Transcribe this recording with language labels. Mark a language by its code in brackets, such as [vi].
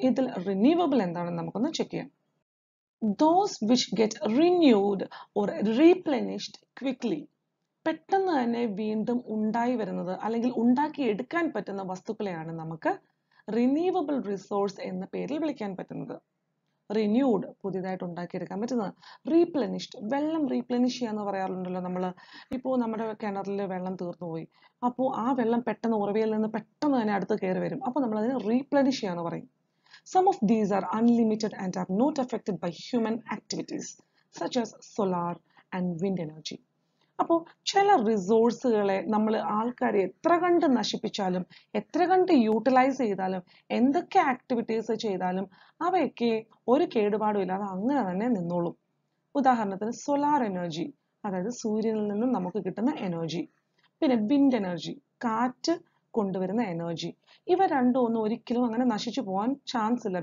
[ml] ഇതിൽ റിന്യൂവബിൾ എന്താണെന്ന് നമുക്കൊന്ന് ചെക്ക് ചെയ്യാം. [en] those which get renewed or replenished quickly, [ml] പെട്ടെന്ന് തന്നെ വീണ്ടും ഉണ്ടായി വരുന്നത് അല്ലെങ്കിൽ ഉണ്ടാക്കി എടുക്കാൻ പറ്റുന്ന വസ്തുക്കളെയാണ് നമുക്ക് റിന്യൂവബിൾ റിസോഴ്സ് എന്ന പേരിൽ വിളിക്കാൻ പറ്റുന്നത്. റിന്യൂഡ് പുതിയതായിട്ട് ഉണ്ടാക്കിയെടുക്കാൻ പറ്റുന്നത്. റീപ്ലനിഷ്ഡ്, വെള്ളം റീപ്ലനിഷ് ചെയ്യാന്ന് പറയാറുണ്ടല്ലോ നമ്മൾ. ഇപ്പോൾ നമ്മുടെ കിണറിൽ വെള്ളം തീർന്നു പോയി, അപ്പോൾ ആ വെള്ളം പെട്ടെന്ന് ഉറവയിൽ നിന്ന് പെട്ടെന്ന് തന്നെ അടുത്ത് കയറി വരും. അപ്പോൾ നമ്മൾ അതിന് റീപ്ലനിഷ് ചെയ്യാന്ന് പറയും. [en] Some of these are unlimited and are not affected by human activities such as solar and wind energy. [ml] അപ്പോൾ ചില റിസോഴ്സുകളെ നമ്മൾ ആൾക്കാരെ എത്ര കണ്ട് നശിപ്പിച്ചാലും എത്ര കണ്ട് യൂട്ടിലൈസ് ചെയ്താലും എന്തൊക്കെ ആക്ടിവിറ്റീസ് ചെയ്താലും അവയൊക്കെ ഒരു കേടുപാടും ഇല്ലാതെ അങ്ങനെ തന്നെ നിന്നോളും. ഉദാഹരണത്തിന് സോളാർ എനർജി, അതായത് സൂര്യനിൽ നിന്നും നമുക്ക് കിട്ടുന്ന എനർജി, പിന്നെ വിൻഡ് എനർജി, കാറ്റ് കൊണ്ടുവരുന്ന എനർജി, ഇവ രണ്ടും ഒന്നും ഒരിക്കലും അങ്ങനെ നശിച്ചു പോകാൻ ചാൻസ് ഇല്ല.